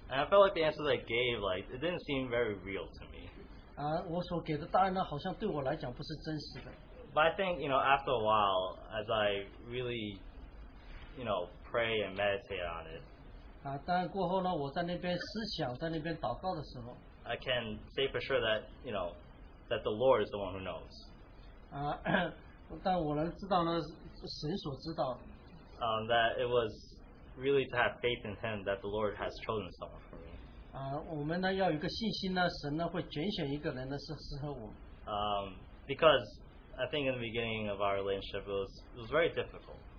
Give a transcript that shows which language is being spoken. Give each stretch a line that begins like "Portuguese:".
English: And I felt like the answers I gave, like, it didn't seem very real to me.
Chinese: 我所给的答案呢，好像对我来讲不是真实的。
English: But I think, you know, after a while, as I really, you know, pray and meditate on it.
Chinese: 但过后呢，我在那边思想，在那边祷告的时候，
English: I can say for sure that, you know, that the Lord is the one who knows.
Chinese: 但我能知道呢，神所知道的。
English: That it was really to have faith in Him that the Lord has chosen someone for me.
Chinese: 我们呢要有一个信心呢，神呢会拣选一个人呢是适合我。
English: Because I think in the beginning of our relationship it was very difficult.